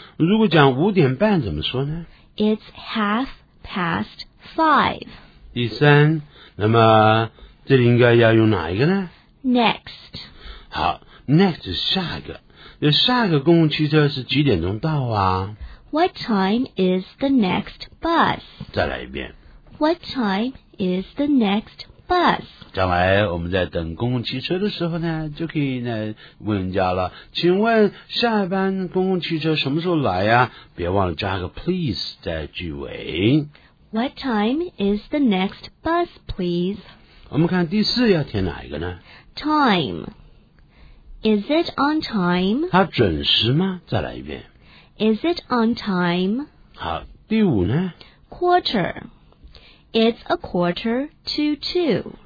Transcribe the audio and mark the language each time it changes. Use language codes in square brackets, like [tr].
[zh] 如果讲五点半怎么说呢？ [en] It's half past five. [zh] 第三，那么这里应该要用哪一个呢？ [en] Next. [zh] 好， next 是下一个。那下一个公共汽车是几点钟到啊？ [en] What time is the next bus? [zh] 再来一遍。 [en] What time is the next bus? [zh] 将来我们在等公共汽车的时候呢，就可以呢问人家了，请问下一班公共汽车什么时候来呀？别忘了加个 please 在句尾。 [en] What time is the next bus, please? [zh] 我们看第四要填哪一个呢？ [en] Time. Is it on time? [zh] 它准时吗？再来一遍。 [en] Is it on time? [zh] 好，第五呢？ [en] Quarter. It's a quarter to two.